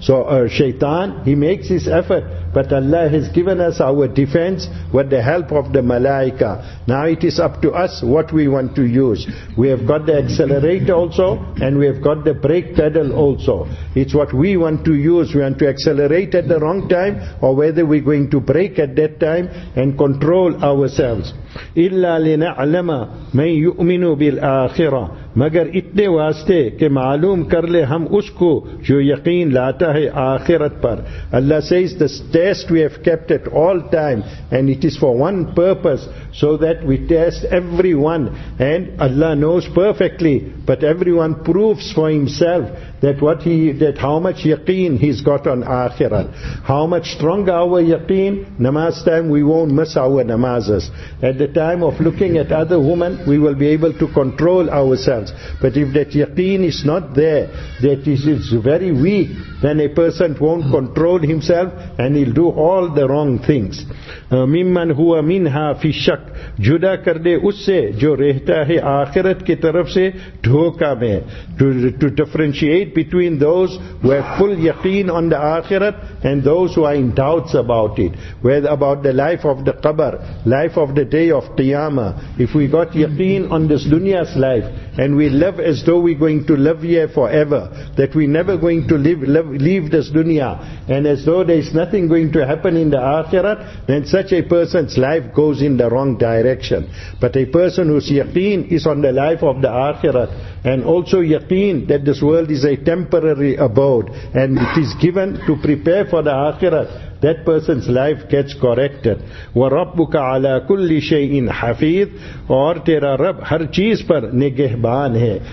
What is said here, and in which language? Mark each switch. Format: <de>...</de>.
<en>So Shaitan, he makes his effort, but Allah has given us our defense with the help of the Malaika. Now it is up to us what we want to use. We have got the accelerator also, and we have got the brake pedal also. It's what we want to use. We want to accelerate at the wrong time, or whether we're going to brake at that time and control ourselves.</en> <ar>إِلَّا لِنَعْلَمَ مَنْ يُؤْمِنُ بِالْآخِرَةِ</ar> <ur>مگر اتنے واسطے کہ معلوم کر لے ہم اس کو جو یقین لاتا ہے آخرت پر.</ur> <en>Allah says, the test we have kept at all time, and it is for one purpose, so that we test everyone. And Allah knows perfectly, but everyone proves for himself that how much yaqeen he's got on akhirah. How much stronger our yaqeen, namaz time we won't miss our namazes. At the time of looking at other women, we will be able to control ourselves. But if that yaqeen is not there, that it is very weak, then a person won't control himself and he'll do all the wrong things.</en> <ar>مِمَّنْ هُوَ مِنْهَا فِي شَكْ</ar> <ur>جُدَا کر دے اس سے جو رہتا ہے آخرت کی طرف سے دھوکا میں.</ur> <en>To differentiate between those who have full yaqeen on the akhirat and those who are in doubts about it, whether about the life of the qabr, life of the day of qiyamah. If we got yaqeen on this dunya's life and we live as though we're going to live here forever, that we're never going to leave this dunya, and as though there's nothing going to happen in the akhirat, then such a person's life goes in the wrong direction. But a person whose yaqeen is on the life of the akhirat, and also yaqeen that this world is a temporary abode, and it is given to prepare for the akhirat, that person's life gets corrected.</en> <ar>وَرَبُّكَ عَلَىٰ كُلِّ شَيْءٍ حَفِيظٍ</ar> <ur>اور تیرا رب ہر چیز پر نگہبان ہے.</ur>